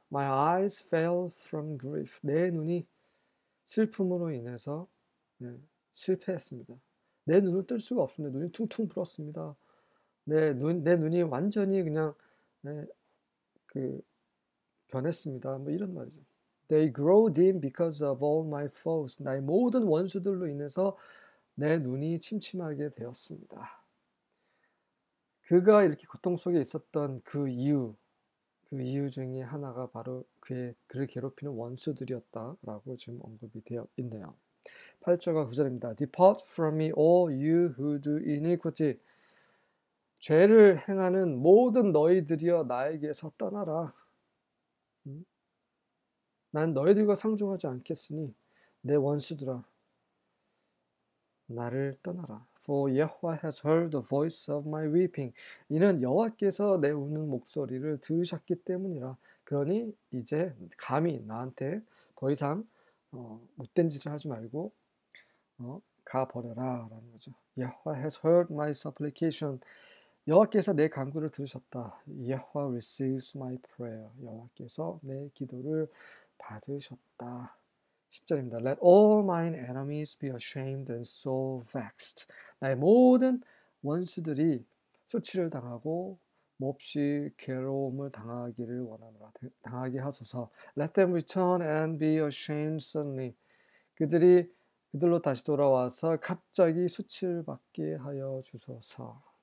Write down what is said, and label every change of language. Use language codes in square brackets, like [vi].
[en] My eyes fell from grief. [ko] 내 눈이 슬픔으로 인해서 실패했습니다. 내 눈을 뜰 수가 없습니다. 눈이 퉁퉁 부었습니다. 내 눈이 완전히 그냥 변했습니다. 뭐 이런 말이죠. [en] They grow dim because of all my foes. [ko] 나의 모든 원수들로 인해서 내 눈이 침침하게 되었습니다. 그가 이렇게 고통 속에 있었던 그 이유 중에 하나가 바로 그를 괴롭히는 원수들이었다라고 지금 언급이 되어 있네요. 8절과 9절입니다. [en] Depart from me, all you who do iniquity. [ko] 죄를 행하는 모든 너희들이여 나에게서 떠나라. 난 너희들과 상종하지 않겠으니 내 원수들아 나를 떠나라. [en] For Yahweh has heard the voice of my weeping. [ko] 이는 여호와께서 내 우는 목소리를 들으셨기 때문이라. 그러니 이제 감히 나한테 더 이상 못된 짓을 하지 말고 가버려라 라는 거죠. [en] Yahweh has heard my supplication. [ko] 여호와께서 내 간구를 들으셨다. [en] Yahweh receives my prayer. [ko] 여호와께서 내 기도를 받으셨다. 10절입니다. [en] Let all mine enemies be ashamed and so vexed. [ko] 나의 모든 원수들이 수치를 당하고 몹시 괴로움을 당하기를 원하노라. 당하게 하소서. [en] Let them return and be ashamed suddenly. [ko] 그들이 그들로 다시 돌아와서 갑자기 수치를 받게 하여 주소서.